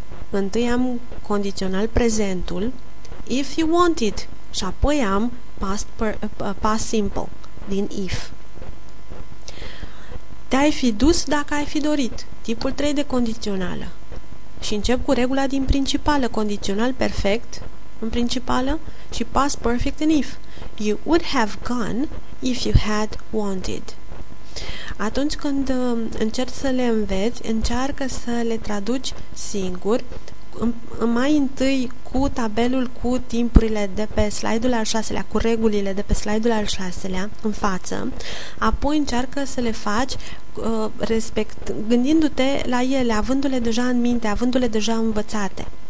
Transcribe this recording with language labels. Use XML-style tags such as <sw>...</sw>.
<ro>Întâi am condițional prezentul,</ro> <en>if you wanted,</en> <ro>și apoi am past simple, din if. Te-ai fi dus dacă ai fi dorit. Tipul 3 de condițională. Și încep cu regula din principală, condițional perfect în principală și past perfect în if.</ro> <en>You would have gone if you had wanted.</en> <ro>Atunci când încerci să le înveți, încearcă să le traduci singur, mai întâi cu tabelul cu timpurile de pe slide-ul al șaselea, cu regulile de pe slide-ul al șaselea în față, apoi încearcă să le faci respect, gândindu-te la ele, avându-le deja în minte, avându-le deja învățate.</ro>